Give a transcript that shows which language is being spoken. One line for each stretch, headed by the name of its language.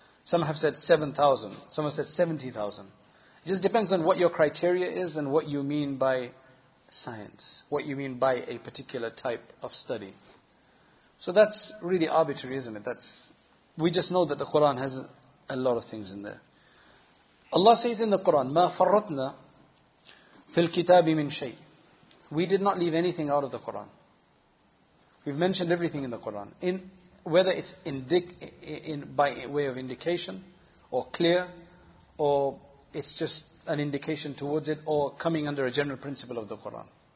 English: Some have said 7,000. Some have said 70,000. It just depends on what your criteria is and what you mean by science, what you mean by a particular type of study. So that's really arbitrary, isn't it? We just know that the Quran has a lot of things in there. Allah says in the Quran,
Arabic: مَا فَرَّطْنَا فِي الْكِتَابِ مِنْ شَيْءٍ.
English: We did not leave anything out of the Quran. We've mentioned everything in the Quran. Whether it's by way of indication, or clear, or it's just an indication towards it, or coming under a general principle of the Quran.